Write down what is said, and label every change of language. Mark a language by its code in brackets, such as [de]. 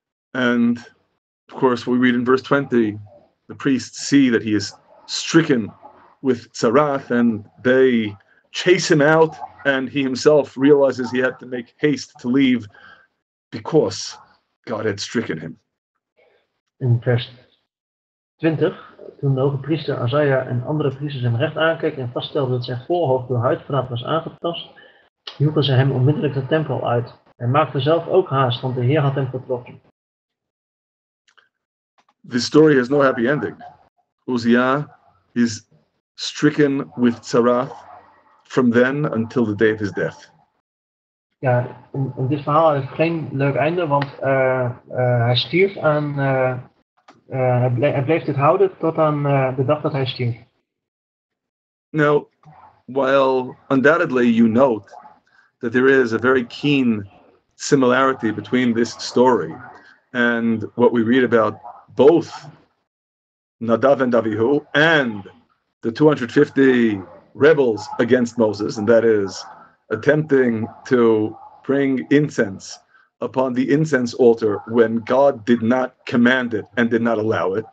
[en] And of course we read in verse 20, the priests see that he is stricken with tzaraath and they chase him out, and he himself realizes he had to make haste to leave because God had stricken him. [nl] In vers 20, toen de hoge priester Azaria en andere priesters hem recht aankeken en vaststelden dat zijn voorhoofd door huidverraad was aangetast, joegen ze hem onmiddellijk de tempel uit. Hij maakte zelf ook haast, want de Heer had hem getroffen. [en] This story has no happy ending. Uzziah is stricken with tzaraath from then until the day of his death. [nl] Ja, en dit verhaal heeft geen leuk einde, want hij stierf aan. Hij bleef dit houden tot aan de dag dat hij stierf. [en] Now, while undoubtedly you note that there is a very keen similarity between this story and what we read about both Nadav and Avihu and the 250 rebels against Moses, and that is attempting to bring incense upon the incense altar when God did not command it and did not allow it.